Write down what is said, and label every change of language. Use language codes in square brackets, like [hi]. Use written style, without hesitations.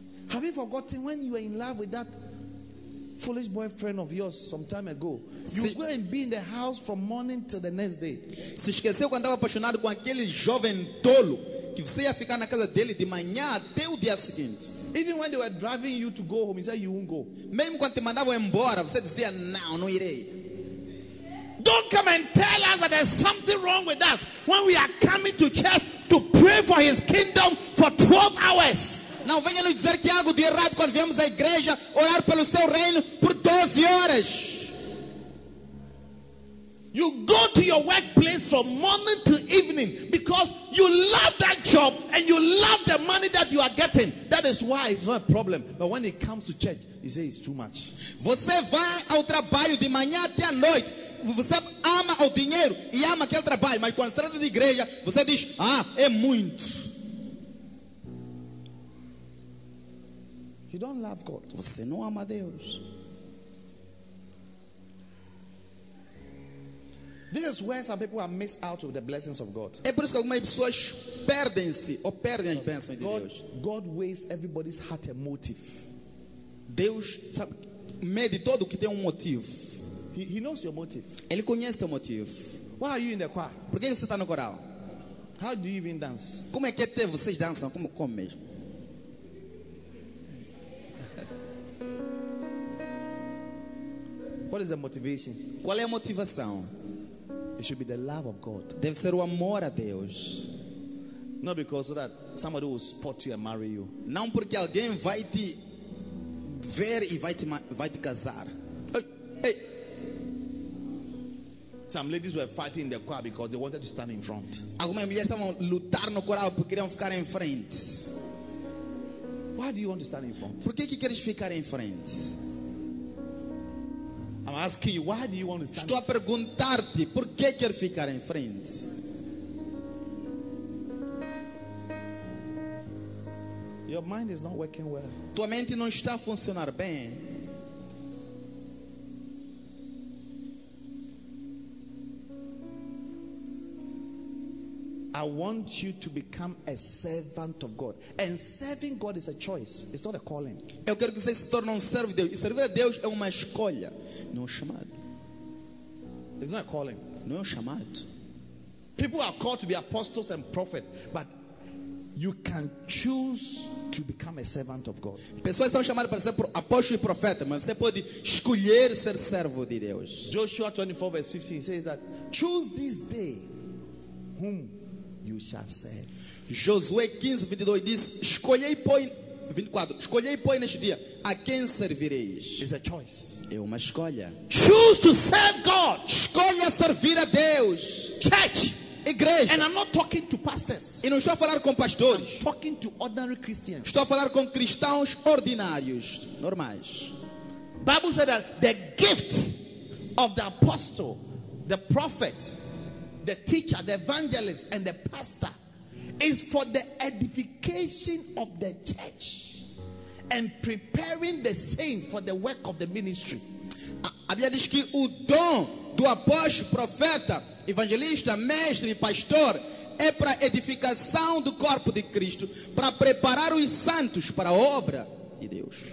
[en] Have you forgotten when you were in love with that foolish boyfriend of yours some time ago? You go and be in the house from morning till the next day. [pt] Se esqueceu quando estava apaixonado com aquele jovem tolo, que você ia ficar na casa dele de manhã até o dia seguinte. [en] Even when they were driving you to go home, you said you won't go. [pt] Mesmo quando te mandavam embora, você dizia não irei. [en] Don't come and tell us that there's something wrong with us when we are coming to church to pray for His kingdom for 12 hours. [pt] Não venha nos dizer que há algo de errado quando viemos à igreja orar pelo seu reino por 12 horas. [en] You go to your workplace from morning to evening because you love that job and you love the money that you are getting. That is why it's not a problem. But when it comes to church, you say it's too much. [pt] Você vai ao trabalho de manhã até à noite. Você ama o dinheiro e ama aquele trabalho. Mas quando se trata de igreja, você diz, é muito. [en] You don't love God. [pt] Você não ama Deus. [en] This is where some people are missed out of the blessings of God. [pt] É por isso que algumas pessoas perdem-se ou perdem as bênçãos de Deus. [en] God weighs everybody's heart and motive. [pt] Deus sabe, mede todo que tem motivo. [en] He knows your motive. [pt] Ele conhece teu motivo. [en] Why are you in the choir? [pt] Por que você está no coral? [en] How do you even dance? [pt] Como é que até vocês dançam? Como mesmo? [en] What is the motivation? [pt] Qual é a motivação? [en] It should be the love of God. [pt] Deve ser o amor a Deus. [en] Not because so that somebody will spot you and marry you. [pt] Não porque alguém vai te ver e vai te casar. [en] Hey. Some ladies were fighting in the choir because they wanted to stand in front. [pt] Algumas mulheres estavam lutando no coral porque queriam ficar em frente. [en] Why do you want to stand in front? [pt] Por que queres ficar em frente? [en] I'm asking you, why do you want to stand? [pt] Estou a perguntar-te por que quer ficar em frente. [en] Your mind is not working well. [pt] Tua mente não está a funcionar bem. [en] I want you to become a servant of God. And serving God is a choice. It's not a calling. [pt] Eu quero que você se torne um servo de Deus. E servir a Deus é uma escolha, não é um chamado. [en] It's not a calling. [pt] Não é um chamado. [en] People are called to be apostles and prophets, but you can choose to become a servant of God. [pt] Pessoas são chamadas para ser apóstolo e profeta, mas você pode escolher ser servo de Deus. [en] Joshua 24 verse 15 says that choose this day whom you shall serve. [pt] Josué 15, 22 diz: Escolhei, pois, neste dia a quem servireis. [en] It's a choice. [pt] É uma escolha. [en] Choose to serve God. [pt] Escolha servir a Deus. [en] Church. [pt] Igreja. [en] And I'm not talking to pastors. [pt] E não estou a falar com pastores. [en] I'm talking to ordinary Christians. [pt] Estou a falar com cristãos ordinários, normais. [en] Bible said that the gift of the apostle, the prophet, the teacher, the evangelist, and the pastor is for the edification of the church and preparing the saints for the work of the ministry. [pt] A Bíblia diz que o dom do apóstolo, profeta, evangelista, mestre e pastor é para edificação do corpo de Cristo, para preparar os santos para a obra de Deus.